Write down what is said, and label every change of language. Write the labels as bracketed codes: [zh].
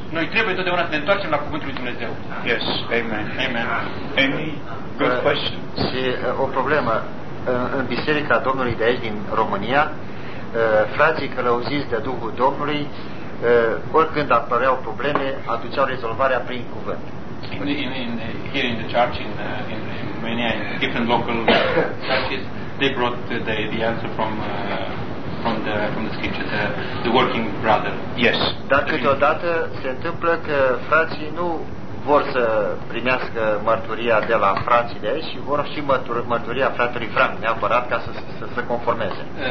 [ro] Noi trebuie totdeauna să ne întoarcem la Cuvântul lui Dumnezeu. [en] Yes, amen. Amen. Any good question? [ro] Și o problemă. În Biserica Domnului de aici, din România, frații călăuziți de Duhul Domnului, oricând apăreau probleme, aduceau rezolvarea prin cuvânt. [en] Here in the church, in Romania, in different local churches, they brought the answer from the scripture, the working brother. Yes. [ro] Dar câteodată se întâmplă că frații nu vor să primească mărturia de la frații de aici și vor și mărturia fratelui Frank neapărat ca să se conformeze.